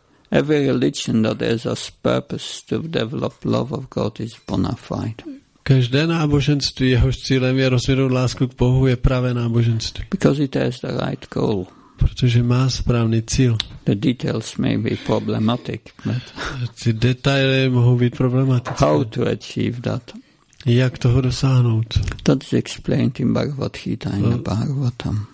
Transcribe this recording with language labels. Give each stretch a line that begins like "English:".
English: Every religion that has a purpose to develop love of God is bona fide.
Czech: Každé náboženství, jehož cílem je rozvinout lásku k Bohu, je pravé náboženství.
English: Because it has the right goal.
Czech: Protože má správný cíl.
English: The details may be problematic, but
Czech: ty detaily mohou být problematické.
English: How to achieve that?
Czech: Jak toho dosáhnout?
English: That is explained in Bhagavad Gita and Bhagavatam.